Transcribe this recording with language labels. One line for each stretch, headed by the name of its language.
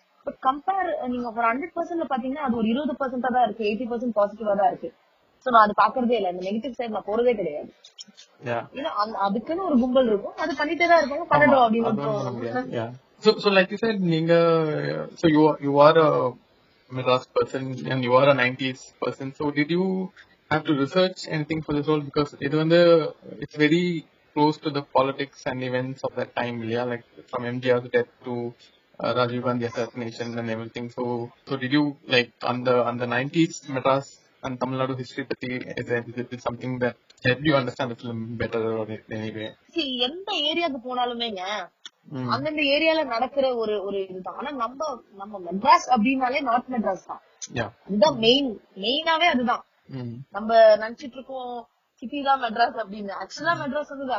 English: But compare,
Tamil: நீங்க ஒரு 100% பாத்தீங்கன்னா அது ஒரு 20% தான் இருக்கு, 80% பாசிட்டிவா தான் இருக்கு. சோ நான் அதை பாக்குறதே இல்லை, இந்த நெகட்டிவ் சைட் நான் போறதே கிடையாது. அதுக்குன்னு ஒரு கும்பல் இருக்கும், அது பண்ணிட்டே தான் இருக்கும் பண்ணட்டும் அப்படின்னு.
English: So like you said, நீங்க so you are a Madras person and you are a 90s person. So did you have to research anything for this role? Because it's very close to the politics and events of that time, yeah? Like from MGR's death to Rajiv Gandhi assassination and everything. So did you, like, on the 90s Madras and Tamil Nadu history, is it something that helped you understand the film better or anyway?
Tamil: See, எந்த ஏரியாக்கு போனாலுமே அந்தந்த ஏரியால நடக்கிற ஒரு ஒரு இதுதான். ஆனா நம்ம மெட்ராஸ் அப்படின்னாலே நார்த் மெட்ராஸ் தான், இதுதான் மெயினாவே அதுதான் நம்ம நினைச்சிட்டு இருக்கோம். சிட்டி தான் மெட்ராஸ் அப்படின்னு, ஆக்சுவலா மெட்ராஸ் வந்து